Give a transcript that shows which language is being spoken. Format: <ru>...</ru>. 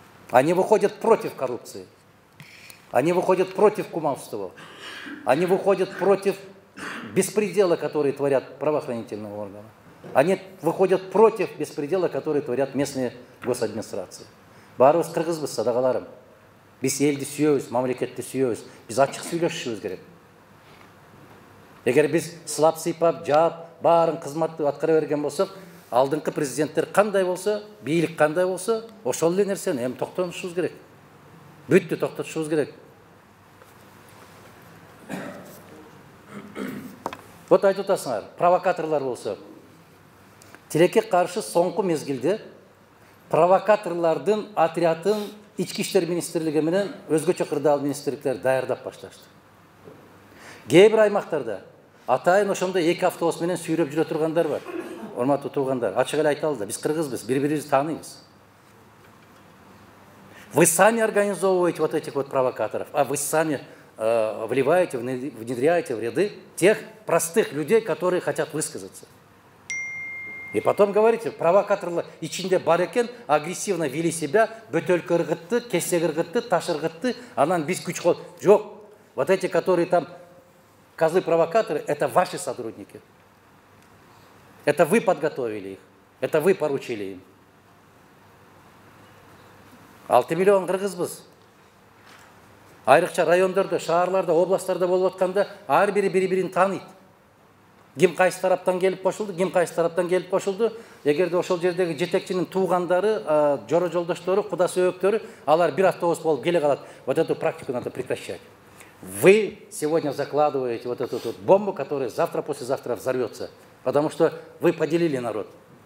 <ru>Они выходят против коррупции. Они выходят против кумовства. Они выходят против беспредела, который творят правоохранительные органы. Они выходят против беспредела, который творят местные госадминистрации.</ru> <ky>Барыбыз кыргызбыз, садагаларым. Биз элди сүйөбүз, мамлекетти сүйөбүз. Биз ачык сүйлөшүшүбүз керек. Эгер биз сылап сыйпап, жаап, баарын кызматты аткара берген болсок, алдыңкы президенттер кандай болсо, бийлик кандай болсо, ошол эле нерсени эми токтотушубуз керек. Бүттү токтотушубуз керек. Вот айтып атасыңар, провокаторлор болсо. Тилекке каршы соңку мезгилде провокаторлордун отрядын ички иштер министрлиги менен өзгөчө кырдаал министрликтер даярдап башташты. Кээ бир аймактарда атайын ошондой эки автобус менен сүйрөп жүрө тургандар бар. Урматтуу туугандар, ачык эле айталы да, биз кыргызбыз, бири-бирибизди тааныйбыз.</ky> <ru>Вы сами организовываете вот этих вот провокаторов, а вы сами вливаете, внедряете в ряды тех простых людей, которые хотят высказаться. И потом говорите,</ru> <ky>провокаторы ичинде бар экен,</ky> <ru>агрессивно вели себя,</ru> <ky>бөтөлкө ыргытты, кесе ыргытты, таш ыргытты, анан биз күч кол.</ky> <ru>Жок, вот эти, которые там козлы-провокаторы, это ваши сотрудники. Это вы подготовили их, это вы поручили им.</ru> <ky>6 миллион кыргызбыз. Айрыкча райондордо, шаарларда, областтарда болуп атканда ар бири бири-бирин тааныйт. Ким кайсы тараптан келип кошулду, ким кайсы тараптан келип кошулду. Эгерде ошол жердеги жетекчинин туугандары, жоро жолдоштору, кудасы өөктөрү, алар бир автобус болуп келе калат.</ky> <ru>Вот эту практику надо прекращать. Вы сегодня закладываете вот эту вот бомбу, которая завтра-послезавтра взорвется, потому что вы поделили народ.</ru>